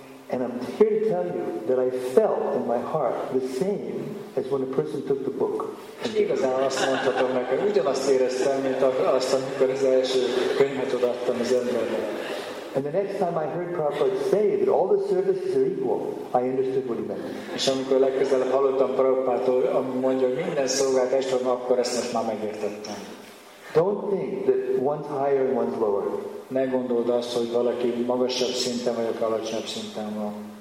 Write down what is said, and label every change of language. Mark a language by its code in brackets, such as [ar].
[en] And I'm here to tell you that I felt in my heart the same as when a person took the book. [hu] Igazán azt mondhatom neked, ugyanazt éreztem, mint azt, amikor az első könyvet odaadtam az embernek. [en] And the next time I heard Prabhupada say that all the services are equal, I understood what he meant. [hu] És amikor legközelebb hallottam Prabhupától, ami mondja, hogy minden szolgált testvérem, akkor ezt most már megértettem. [en] Don't think that one's higher and one's lower. [hu] Ne gondold azt, hogy valaki magasabb szinten vagy alacsonyabb szinten van.